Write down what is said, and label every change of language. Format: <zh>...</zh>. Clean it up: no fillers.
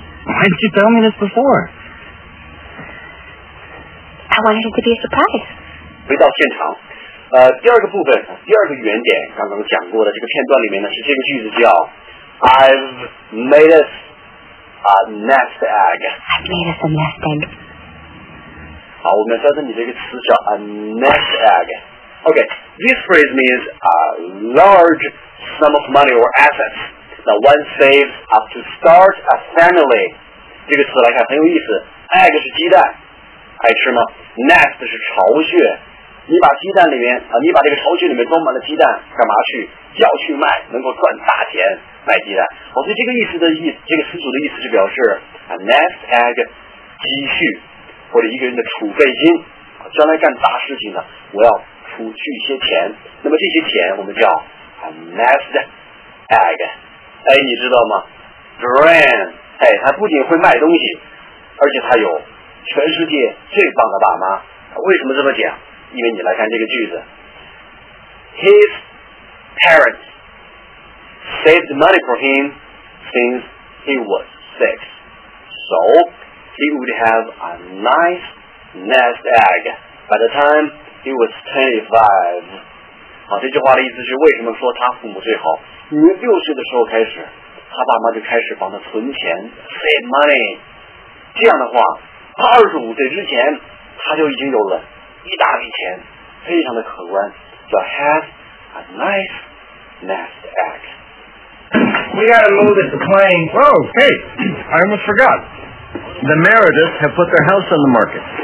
<en>Why didn't you tell me this before? I wanted it to be a surprise.</en> <zh>回到现场，第二个部分，第二个原点，刚刚讲过的这个片段里面呢，是这个句子叫</zh> <en>I've made us a nest egg. I've made us a nest egg.</en> <zh>好，我们要教你这个词叫</zh> <en>a nest egg. Okay, this phrase means a large sum of money or assets. Now one saves up to start a family.</en> <zh>这个词来看很有意思。 Egg 是鸡蛋，爱吃吗 ？Nest 是巢穴。你把鸡蛋里面啊，你把这个巢穴里面装满了鸡蛋，干嘛去？要去卖，能够赚大钱卖鸡蛋。哦，所以这个意思的意思，这个词组的意思是表示</zh> <en>a nest egg</en> <zh>积蓄或者一个人的储备金，将来干大事情呢，我要储蓄一些钱。那么这些钱我们叫</zh> <en>a nest egg。</en> <zh>哎，你知道吗 ？Brand， 哎，他不仅会卖东西，而且他有全世界最棒的爸妈。为什么这么讲？因为你来看这个句子</zh> <en>，His parents saved money for him since he was six, so he would have a nice nest egg by the time he was 25.</en> <zh>好，这句话的意思是，为什么说他父母最好？因为六岁的时候开始，他爸妈就开始帮他存钱 ，</zh> <en>save money。</en> <zh>这样的话，他25岁之前，他就已经有了一大笔钱，非常的可观。</zh> <en>So have a nice nest egg. We got a little bit to play. Oh, hey, I almost forgot. The Merediths have put their house on the market.</en>